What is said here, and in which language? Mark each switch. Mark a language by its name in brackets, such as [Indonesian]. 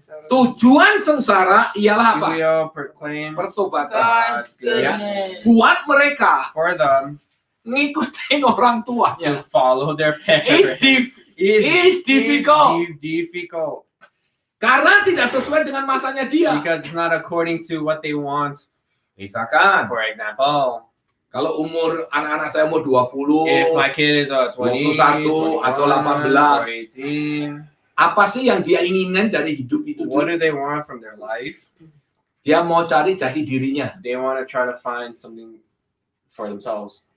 [Indonesian] Tujuan sengsara ialah apa? Pertobatan. Buat mereka ngikutin orang tuanya. [English] Follow their parents. It's difficult. It's difficult. [Indonesian] Karena tidak sesuai dengan masanya dia. [English] Because it's not according to what they want. [Indonesian] Misalkan. [English] For example. [Indonesian] Kalau umur anak-anak saya umur 20. [English] If my kid is [Indonesian] 21 atau 18. [English] Or 18. [Indonesian] Apa sih yang dia inginkan dari hidup itu? [English] What do they want from their life? [Indonesian] Dia mau cari jati dirinya. [English] They want to try to find something for themselves.